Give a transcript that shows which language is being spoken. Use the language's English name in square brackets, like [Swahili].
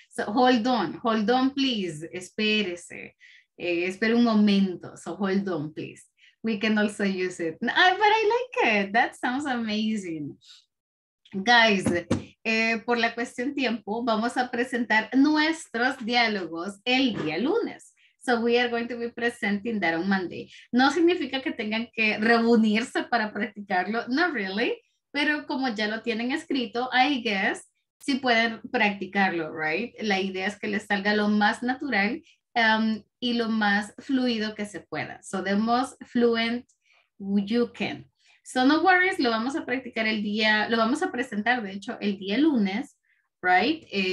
[English] So hold on please, [Spanish] espérese. Espere un momento, [English] so hold on please. We can also use it. But I like it, that sounds amazing. [Spanish] Guys, por la cuestión tiempo, vamos a presentar nuestros diálogos el día lunes. [English] So we are going to be presenting that on Monday. [Spanish] No significa que tengan que reunirse para practicarlo, [English] not really. [Spanish] Pero como ya lo tienen escrito, [English] I guess, [Spanish] sí pueden practicarlo, right? La idea es que les salga lo más natural y lo más fluido que se pueda. [English] So the most fluent you can. So no worries, [Spanish] lo vamos a practicar el día, lo vamos a presentar, de hecho, el día lunes, right?